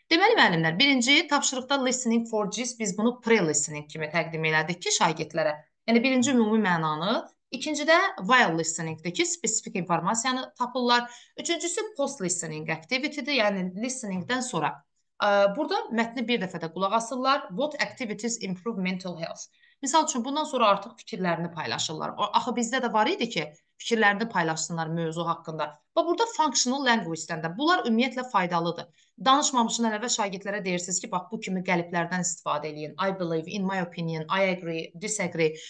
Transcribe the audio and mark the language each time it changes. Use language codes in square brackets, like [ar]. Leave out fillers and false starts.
[az] Deməli müəllimlər, birinci tapşırıqda listening for gist biz bunu pre-listening kimi təqdim elədik ki, şagirdlərə. Yəni birinci ümumi mənanı, ikinci də while listening-də ki, spesifik informasiyanı tapırlar. Üçüncüsü post-listening activity-dir, yəni listening-dən sonra. Burada mətni bir dəfə də qulaq asırlar. [en] What activities improve mental health? [az] Misal üçün, bundan sonra artıq fikirlərini paylaşırlar. Axı bizdə də var idi ki, fikirlərini paylaşsınlar mövzu haqqında. Və burada functional language-dən də. Bunlar ümumiyyətlə faydalıdır. Danışmamışdan əvvəl şagirdlərə deyirsiniz ki, bax bu kimi qəliplərdən istifadə edin. [en] I believe, in my opinion, I agree, disagree.